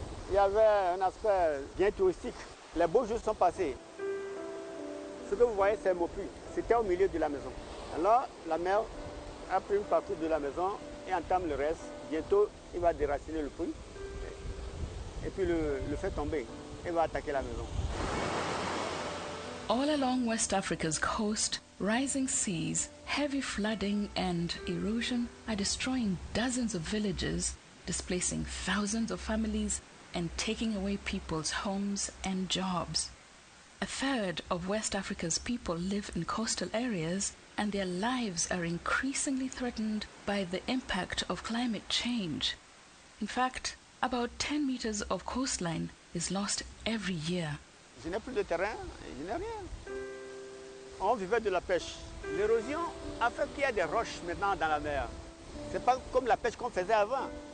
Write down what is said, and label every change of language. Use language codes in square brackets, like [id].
[fr] Il y avait un aspect bien touristique. Les beaux jours sont passés. Ce que vous voyez, c'est Mopu. C'était au milieu de la maison. Alors, la mère a pris une partie de la maison et entame le reste. Bientôt, il va déraciner le puits et puis le fait tomber et va attaquer la maison. [en] All along West Africa's coast, rising seas, heavy flooding and erosion are destroying dozens of villages, displacing thousands of families, and taking away people's homes and jobs. A third of West Africa's people live in coastal areas, and their lives are increasingly threatened by the impact of climate change. In fact, about 10 meters of coastline is lost every year. [fr] Je n'ai plus de terrain, je n'ai rien. On vivait de la pêche. L'érosion a fait qu'il y a des roches maintenant dans la mer. C'est pas comme la pêche qu'on faisait avant.